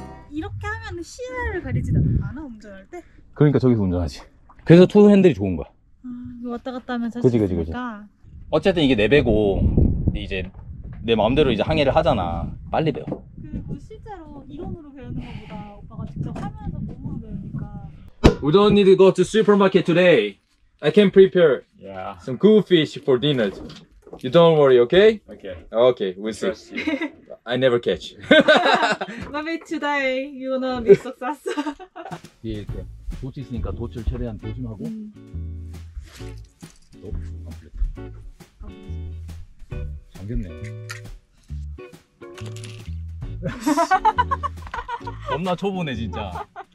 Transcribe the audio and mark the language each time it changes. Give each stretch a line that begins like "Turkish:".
Korean: 이렇게 하면 시야를 가리지도 않아 운전할 때. 그러니까 저기서 운전하지. 그래서 투 핸들이 좋은 거야. 왔다 갔다 하면 사실 그지. 어쨌든 이게 내 배고 이제 내 마음대로 이제 항해를 하잖아. 빨리 배워. 그리고 실제로 이론으로 배우는 것보다 오빠가 직접 하면서 몸으로 배우니까.
English: We don't need to go to supermarket today. I can prepare some good fish for dinner. You don't worry, okay? Okay. Okay, we'll see. I never catch. Maybe today you gonna be successful.
Korean: 뒤에 이렇게 도치 있으니까 도치를 최대한 조심하고. 어? 안 풀렸다. 잠겼네. 겁나 초보네 진짜.